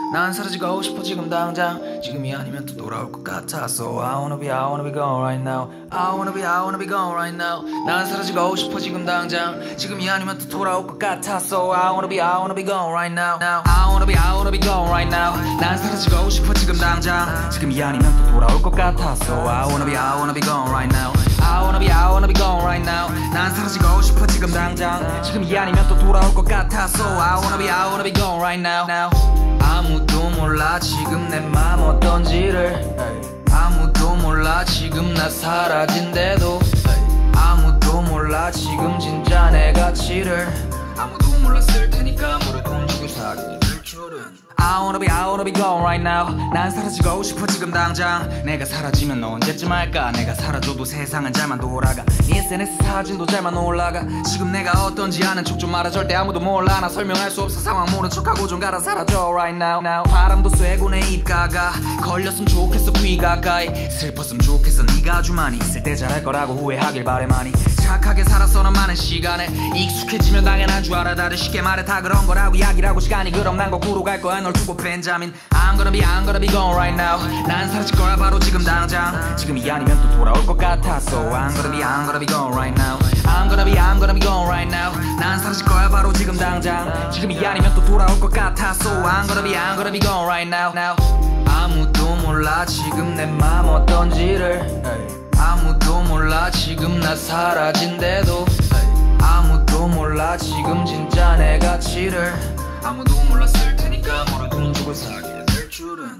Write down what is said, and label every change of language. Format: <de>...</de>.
<ko>난 사라지고 싶어 지금 당장. 지금이 아니면 또 돌아올 것 같아서.</ko> <en>I wanna be gone right now. I wanna be gone right now.</en> <ko>난 사라지고 싶어 지금 당장. 지금이 아니면 또 돌아올 것 같아서.</ko> <en>I wanna be gone right now. I wanna be gone right now.</en> <ko>난 사라지고 싶어 지금 당장. 지금이 아니면 또 돌아올 것 같아서.</ko> <en>I wanna be gone right now. I wanna be gone right now.</en> <ko>난 사라지고 싶어 지금 당장. 지금이 아니면 또 돌아올 것 같아서.</ko> <en>I wanna be gone right now.</en> <ko>아무도 몰라 지금 내 맘 어떤지를. 아무도 몰라 지금 나 사라진대도. 아무도 몰라 지금 진짜 내 가치를. 아무도 몰랐을 테니까 모를 건지도 사귀는 줄처럼.</ko> <en>I wanna be gone right now.</en> <ko>난 사라지고 싶어 지금 당장. 내가 사라지면 너 언제쯤 할까. 내가 사라져도 세상은 잘만 돌아가. SNS 사진도 잘만 올라가. 지금 내가 어떤지 아는 척 좀 말아. 절대 아무도 몰라. 나 설명할 수 없어. 상황 모른 척하고 좀 가라. 사라져</ko> <en>right now.</en> <ko>바람도 쐬고 내 입 가가. 걸렸으면 좋겠어 귀 가까이. 슬펐으면 좋겠어 네가 아주 많이. 있을 때 잘할 거라고 후회하길 바래 많이. 착하게 살았어는 많은 시간에. 익숙해지면 당연한 줄 알아. 다들 쉽게 말해 다 그런 거라고 이야기라고 시간이. 그럼 난 거꾸로 갈 거야 널 두고 벤자민.</ko> <en>I'm gonna be gone right now.</en> <ko>난 사라질 거야 바로 지금 당장. 지금이 아니면 또 돌아올 것 같아서.</ko> <en>I'm gonna be gone right now. I'm gonna be gone right now.</en> <ko>난 사라질 거야 바로 지금 당장. 지금이 아니면 또 돌아올 것 같아서.</ko> <en>I'm gonna be gone right now.</en> <ko>아무도 몰라 지금 내 맘 어떤지를. 아무도 몰라 지금 나 사라진대도. 아무도 몰라 지금 진짜 내 가치를. 아무도 몰랐을 테니까 모를 돈 주고 사게 될 줄은.</ko>